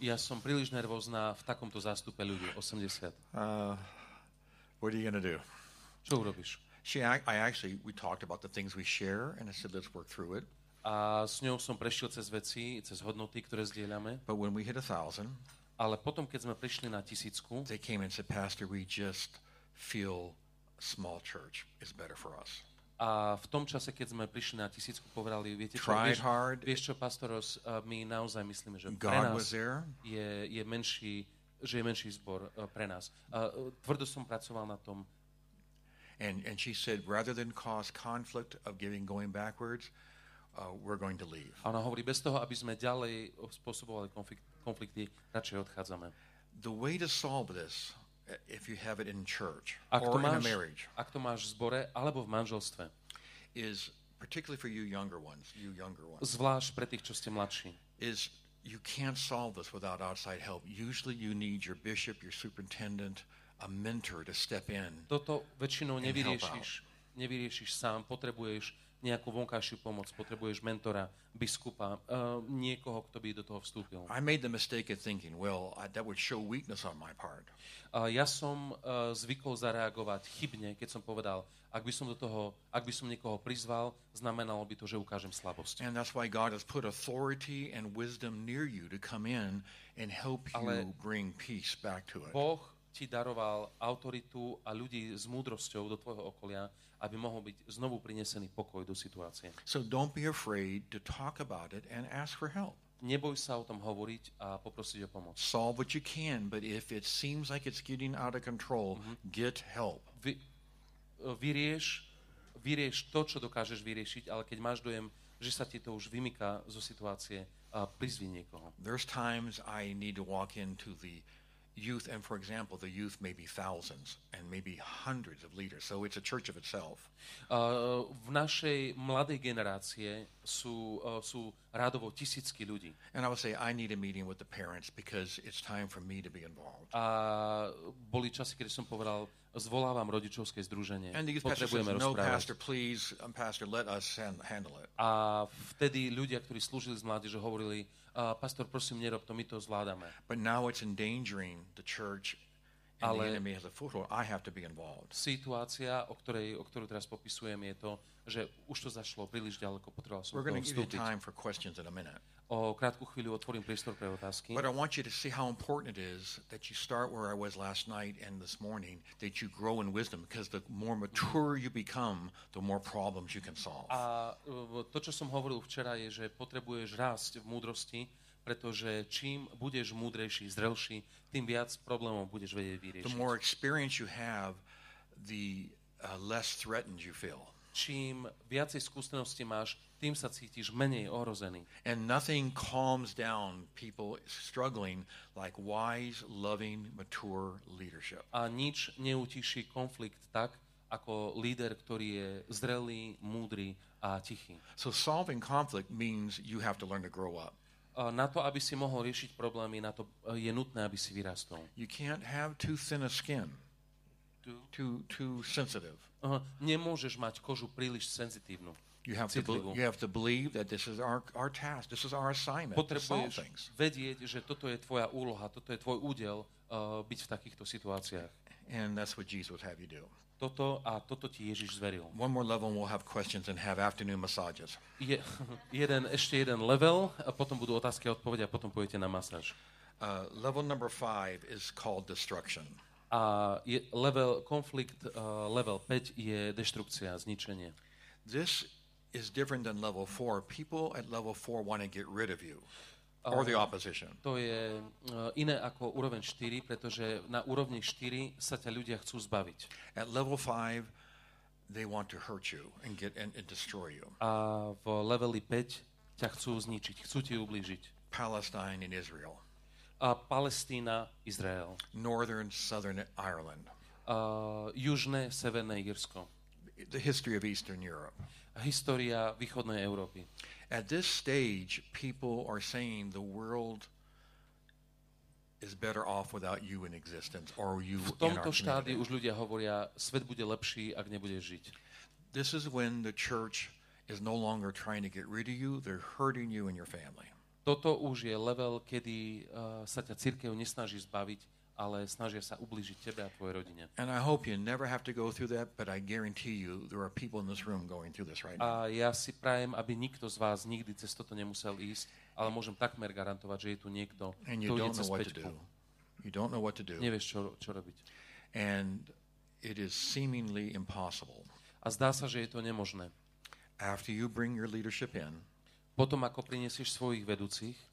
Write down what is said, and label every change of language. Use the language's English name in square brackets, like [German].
[Slovak] Ja som príliš nervózna v takomto zástupe ľudí, 80. [English] What are you going to do? [Slovak] Čo urobíš? [English] We talked about the things we share and I said, let's work through it. [Slovak] A s ňou som prešiel cez veci, cez hodnoty, ktoré zdieľame. [English] But when we hit 1000, [Slovak] ale potom, keď sme prišli na 1000, [English] they came and said, Pastor, we just feel small church is better for us. [Slovak] A v tom čase, keď sme prišli na 1000, povedali, viete čo, vieš čo, pastoros, my naozaj myslíme, že pre nás je menší zbor pre nás. Tvrdo som pracoval na tom. [English] And she said, rather than cause conflict of giving going backwards, we're going to leave. [Slovak] A ona hovorí, bez toho, aby sme ďalej spôsobovali konflikty, radšej odchádzame. [English] The way to solve this, if you have it in church or in a marriage, [Slovak] ak to máš v zbore alebo v manželstve, [English] is particularly for you younger ones, [Slovak] zvlášť pre tých, čo ste mladší, [English] is you can't solve this without outside help. Usually you need your bishop, your superintendent, a mentor to step in. [Slovak] Toto väčšinou nevyriešiš sám, potrebuješ nejakú vonkajšiu pomoc, potrebuješ mentora, biskupa, niekoho, kto by do toho vstúpil. [English] I made the mistake of thinking, well, that would show weakness on my part. [Slovak] Ja som zvykol zareagovať chybne, keď som povedal, ak by som niekoho prizval, znamenalo by to, že ukážem slabosť. [English] And that's why God has put authority and wisdom near you to come in and help you bring peace back to it. [Slovak] Boh ti daroval autoritu a ľudí s múdrosťou do tvojho okolia, aby mohol byť znovu prinesený pokoj do situácie. [English] So don't be afraid to talk about it and ask for help. [Slovak] Neboj sa o tom hovoriť a poprosiť o pomoc. [English] Solve what you can, but if it seems like it's getting out of control, get help. [Slovak] Vyrieš to, čo dokážeš vyriešiť, ale keď máš dojem, že sa ti to už vymyká zo situácie, prizvi niekoho. [English] There's times I need to walk into the youth, and for example, the youth may be thousands and maybe hundreds of leaders, so it's a church of itself. [Slovak] V našej mladej generácie sú radovo tisícky ľudí. [English] And I would say I need a meeting with the parents because it's time for me to be involved. [Slovak] A boli časy, kedy som povedal, zvolávam rodičovské združenie, potrebujeme rozprávať. [English] No, pastor, please, pastor, let us handle it. [Slovak] A vtedy ľudia, ktorí slúžili s mládežou, že hovorili, pastor, prosím, nerob to, my to zvládame. [English] But now it's endangering the church. [Slovak] Ale [English] the enemy has a foothold. I have to be involved. [Slovak] Situácia, o ktorú teraz popisujem, je to, že už to zašlo príliš ďaleko, potreboval som vstúpiť. [English] We're going to give you time for questions in a minute. [Slovak] O krátku chvíľu otvorím priestor pre otázky. [English] But I want you to see how important it is that you start where I was last night and this morning, that you grow in wisdom, because the more mature you become, the more problems you can solve. [Slovak] A to, čo som hovoril včera, je, že potrebuješ rásť v múdrosti, pretože čím budeš múdrejší, zrelší, tým viac problémov budeš vedieť vyriešiť. [English] The more experience you have, the less threatened you feel. [Slovak] Čím viacej skúsenosti máš, tým sa cítiš menej ohrozený. [English] And nothing calms down people struggling like wise, loving, mature leadership. [Slovak] A nič neutíši konflikt tak, ako líder, ktorý je zrelý, múdry a tichý. [English] So solving conflict means you have to learn to grow up. [Slovak] Na to, aby si mohol riešiť problémy, na to je nutné, aby si vyrastol. [English] You can't have too thin a skin. Too sensitive. [Slovak] Nemôžeš mať kožu príliš senzitívnu. [English] You have to believe that this is our task. This is our assignment. [Slovak] Potrebuješ vedieť, že toto je tvoja úloha, toto je tvoj údel byť v takýchto situáciách. [English] And that's what Jesus would have you do. [Slovak] Toto a toto ti Ježiš zveril. [English] One more level and we'll have questions and have afternoon massages. [Slovak] Ešte jeden level a potom budú otázky a odpovede a potom pôjdete na masáž. [English] Level number 5 is called destruction. [Slovak] A level conflict level 5 je deštrukcia, zničenie. [English] This is different than level 4. People at level 4 want to get rid of you. Or the opposition. [Slovak] To je iné ako úroveň 4, pretože na úrovni 4 sa ťa ľudia chcú zbaviť. [English] At level 5 they want to hurt you and get and destroy you. [Slovak] A v leveli 5 ťa chcú zničiť, chcú ti ublížiť. [English] Palestine and Israel. [Slovak] A Palestína, Izrael. [English] Northern Southern Ireland. [Slovak] Južné Severné Írsko. [English] The history of Eastern Europe. [Slovak] História východnej Európy. [English] At this stage people are saying the world is better off without you in existence or you in our community. [Slovak] V tomto štádiu už ľudia hovoria, svet bude lepší, ak nebudeš žiť. [English] This is when the church is no longer trying to get rid of you, they're hurting you and your family. [Slovak] Toto už je level, kedy sa ťa cirkev nesnaží zbaviť, ale snažia sa ublížiť tebe a tvojej rodine. [English] And I hope you never have to go through that, but I guarantee you there are people in this room going through this right now. [Slovak] A ja si prajem, aby nikto z vás nikdy cez toto nemusel ísť, ale môžem takmer garantovať, že je tu niekto, [English] and [Slovak] kto [English] you don't [Slovak] ide [English] know [Slovak] cez [English] what to do. You don't know what to do. [Slovak] Nevieš, čo robiť. [English] And it is seemingly impossible. [Slovak] A zdá sa, že je to nemožné. [English] After you bring your leadership in, [Slovak] potom ako prinesieš svojich vedúcich,